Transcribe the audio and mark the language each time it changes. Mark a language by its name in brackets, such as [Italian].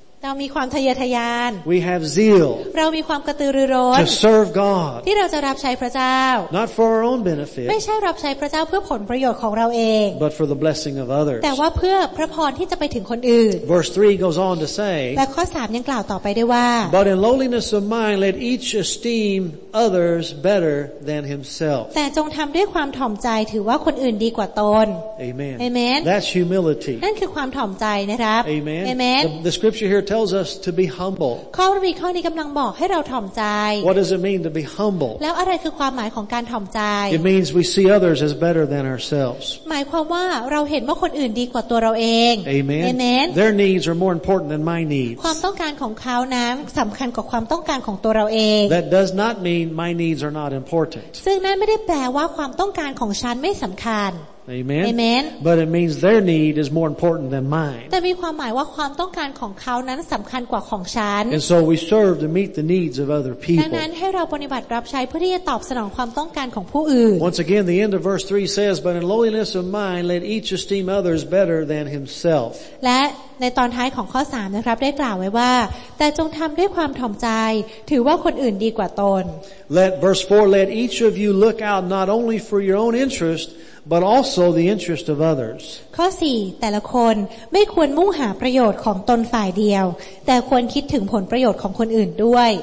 [Thai] เรามีความทะเยอทะยาน [English] We have zeal [Thai] เรามีความกระตือรือร้น [English] To serve God [Thai] ที่เราจะรับใช้พระเจ้า [English] Not for our own benefit [Thai] ไม่ใช่รับใช้พระเจ้าเพื่อผลประโยชน์ของเราเอง [English] But for the blessing of others [Thai] แต่ว่าเพื่อพระพรที่จะไปถึงคนอื่น [English] Verse 3 goes on to say [Thai] และข้อ3ยังกล่าวต่อไปได้ว่า [English] But in lowliness of mind let each esteem others better than himself [Thai] แต่จงทำด้วยความถ่อมใจถือว่าคนอื่นดีกว่าตน [English] Amen Amen That's humility [Thai] นั่นคือความถ่อมใจนะครับ [English] Amen Amen the scripture hereTells us to be humble. [Thai] ข้อพระคัมภีร์ข้อนี้กำลังบอกให้เราถ่อมใจ [English] What does it mean to be humble? [Thai] แล้วอะไรคือความหมายของการถ่อมใจ [English] It means we see others as better than ourselves. [Thai] หมายความว่าเราเห็นว่าคนอื่นดีกว่าตัวเราเอง [English] Amen. Amen. Their needs are more important than my needs. [Thai] ความต้องการของเขานั้นสำคัญกว่าความต้องการของตัวเราเอง [English] That does not mean my needs are not important. [Thai] ซึ่งนั้นไม่ได้แปลว่าความต้องการของฉันไม่สำคัญ [English] Amen. Amen. But it means their need is more important than mine. [Thai] แต่มีความหมายว่าความต้องการของเขานั้นสำคัญกว่าของฉัน [English] And so we serve to meet the needs of other people. [Thai] ดังนั้นให้เราปฏิบัติรับใช้เพื่อที่จะตอบสนองความต้องการของผู้อื่น [English] Once again, the end of verse 3 says, "But in lowliness of mind, let each esteem others better than himself." [Thai] และในตอนท้ายของข้อ3นะครับได้กล่าวไว้ว่าแต่จงทำด้วยความถ่อมใจถือว่าคนอื่นดีกว่าตน [English] Let verse 4 let each of you look out not only for your own interest. But also the interest of others. [Thai] ข้อ 4 แต่ละคนไม่ควรมุ่งหาประโยชน์ของตนฝ่ายเดียวแต่ควรคิดถึงผลประโยชน์ของคนอื่นด้วย